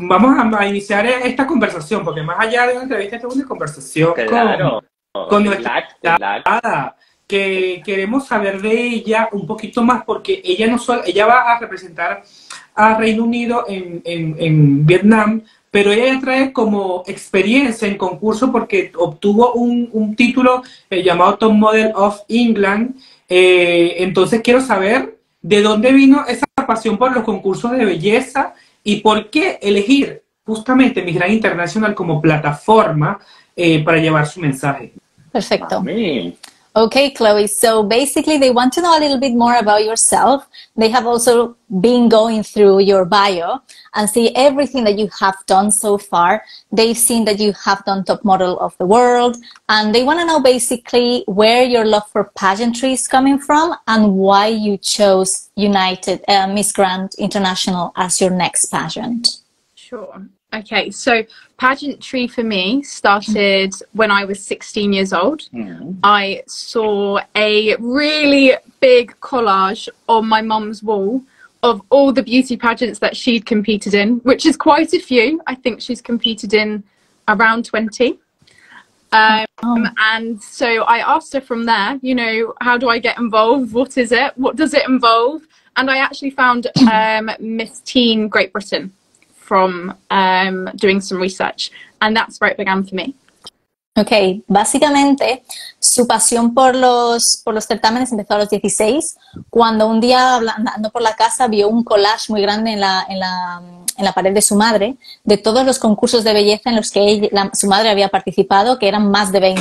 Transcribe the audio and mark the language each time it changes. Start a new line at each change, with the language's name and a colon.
Spanish: Vamos a iniciar esta conversación, porque más allá de una entrevista, esta es una conversación con nuestra invitada, que queremos saber de ella un poquito más, porque ella no solo ella va a representar a Reino Unido en Vietnam, pero ella trae como experiencia en concurso porque obtuvo un título llamado Top Model of England. Entonces quiero saber de dónde vino esa pasión por los concursos de belleza y por qué elegir justamente Miss Grand International como plataforma para llevar su mensaje. Perfecto.
English: Okay, Chloe, so basically they want to know a little bit more about yourself. They have also been going through your bio and see everything that you have done so far. They've seen that you have done Top Model of the World, and they want to know basically where your love for pageantry is coming from and why you chose United Miss Grand International as your next pageant. Sure. Okay, so pageantry for me started when I was 16 years old. Yeah. I saw a really big collage on my mum's wall of all the beauty pageants that she'd competed in, which is quite a few. I think she's competed in around 20. And so I asked her from there, you know, how do I get involved? What is it? What does it involve? And I actually found Miss Teen Great Britain from doing some research, and that's where it began for me.
Spanish: Okay, básicamente su pasión por los certámenes empezó a los 16, cuando un día andando por la casa vio un collage muy grande en la pared de su madre de todos los concursos de belleza en los que su madre había participado, que eran más de 20.